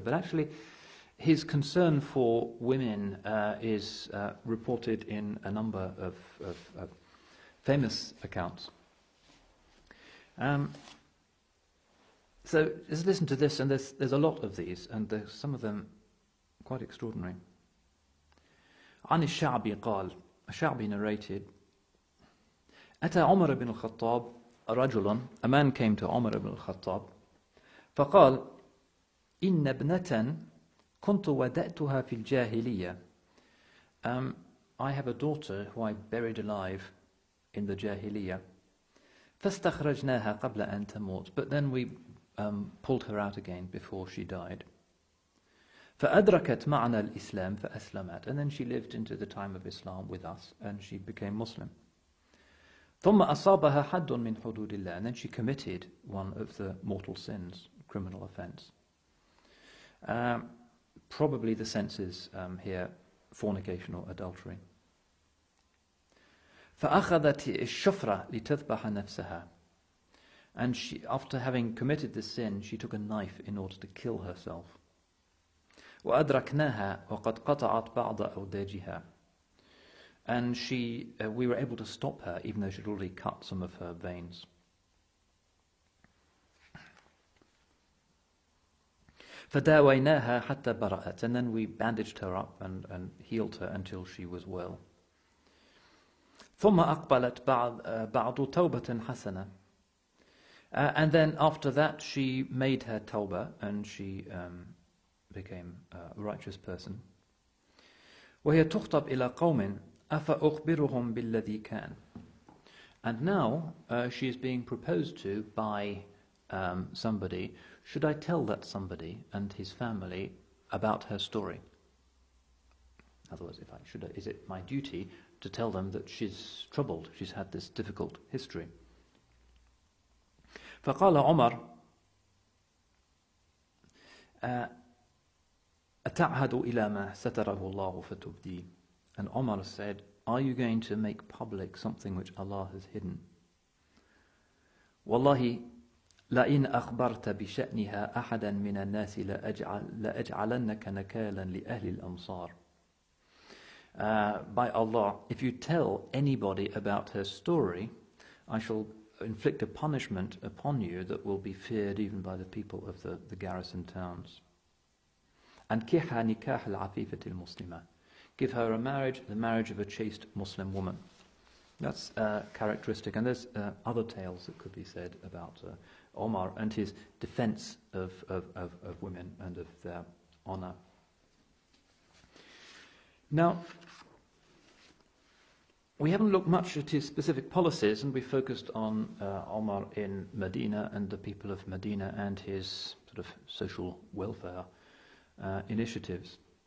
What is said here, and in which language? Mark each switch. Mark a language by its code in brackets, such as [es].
[en] But actually, his concern for women is reported in a number of famous accounts. So just listen to this, and there's a lot of these, and there's some of them quite extraordinary. [ar] عن الشعب قال الشعبي [en] narrated, [ar] أتى عمر بن الخطاب رجلا, [en] a man came to [ar] عمر بن الخطاب, فقال إن ابنتن كنت ودأتها في الجاهلية. [en] I have a daughter who I buried alive in the jahiliya. [ar] فاستخرجناها قبل أن تموت, [en] but then we pulled her out again before she died. [ar] فأدركت معنا الإسلام فأسلمت, [en] and then she lived into the time of Islam with us and she became Muslim. [ar] ثم أصابها حد من حدود الله, [en] and then she committed one of the mortal sins, criminal offence. Probably the senses here, fornication or adultery. [ar] فأخذت الشفرة لتذبح نفسها. [en] And she, after having committed this sin, she took a knife in order to kill herself. [ar] وأدركناها وقد قطعت بعض أوداجها. [en] And she, we were able to stop her, even though she'd already cut some of her veins. [ar] فداويناها حتى برأت. [en] And then we bandaged her up and healed her until she was well. [ar] ثم أقبلت بعض توبة حسنة. [en] And then after that, she made her tawbah and she became a righteous person. [ar] وهي تخطب إلى قوم أفأخبرهم بالذي كان. [en] And now she is being proposed to by somebody. Should I tell that somebody and his family about her story? In other words, is it my duty to tell them that she's troubled, she's had this difficult history? [ar] فقال عمر أتعهد إلى ما ستره الله فتبدي. [en] And Omar said, are you going to make public something which Allah has hidden? [ar] والله لئن أخبرت بشأنها أحدا من الناس لأجعلنك نكالا لأهل الأمصار. [en] By Allah, if you tell anybody about her story, I shall inflict a punishment upon you that will be feared even by the people of the garrison towns. [ar] أنكحها نكاح العفيفة المسلمة. [en] Give her a marriage, the marriage of a chaste Muslim woman. That's characteristic. And there's other tales that could be said about Omar and his defense of women and of their honor. Now, we haven't looked much at his specific policies, and we focused on Omar in Medina and the people of Medina and his sort of social welfare initiatives.